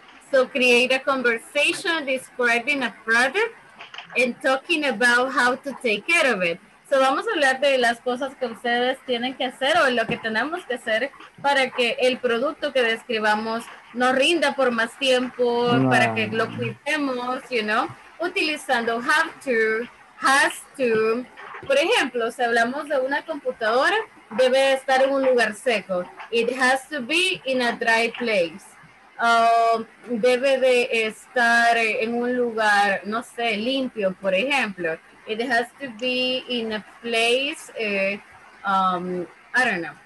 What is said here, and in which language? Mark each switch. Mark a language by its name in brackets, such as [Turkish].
[English] So create a conversation describing a product and talking about how to take care of it. [Spanish] So vamos a hablar de las cosas que ustedes tienen que hacer o lo que tenemos que hacer para que el producto que describamos no rinda por más tiempo, no. Para que lo cuidemos, [English] you know, [Spanish] utilizando have to, has to. Por ejemplo, si hablamos de una computadora, debe estar en un lugar seco. [English] It has to be in a dry place. [Spanish] Debe de estar en un lugar, no sé, limpio, por ejemplo. [English] It has to be in a place, I don't know.